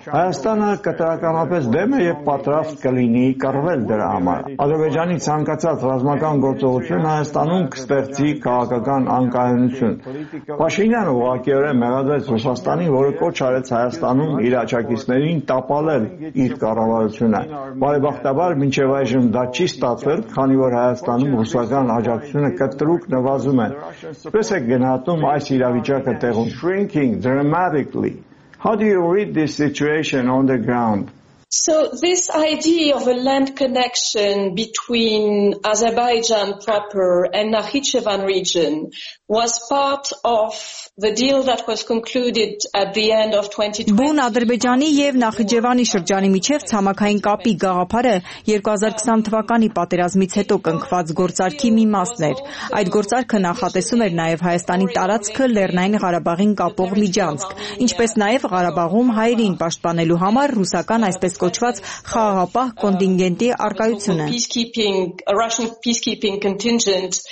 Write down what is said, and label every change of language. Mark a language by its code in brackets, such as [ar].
[hy] Հայաստանը կատարականապես դեմ է եւ պատրաստ կլինի կռվել դրա համար։ Ադրբեջանի ցանկացած ռազմական գործողություն Հայաստանում կստեղծի քաղաքական անկայունություն։ Պաշինյանը ուղղակիորեն մեղադրեց Ռուսաստանին, որը կոչ արեց Հայաստանում իր աջակիցներին տապալել իր կառավարությունը։ Բարեբախտաբար մինչև այժմ դա չի ստացվել, քանի որ Հայաստանում ռուսական աջակցությունը կտրուկ նվազում [en] shrinking dramatically. How do you read this situation on the ground? So this idea of a land connection between Azerbaijan proper and Nakhichevan region was part of the deal that was concluded at the end of 2020. [hy] Բուն Ադրբեջանի եւ Նախիջևանի շրջանի միջև ցամաքային կապի գաղափարը 2020 թվականի պատերազմից հետո կնքված գործարքի մի մասն էր։ Այդ գործարքը նախատեսում էր նաեւ Հայաստանի տարածքը Լեռնային Ղարաբաղին կապող միջանցք, ինչպես նաեւ Ղարաբաղում հայերին պաշտպանելու համար ռուսական այսպես կոչված խաղաղապահ կոնտինգենտի առկայությունը։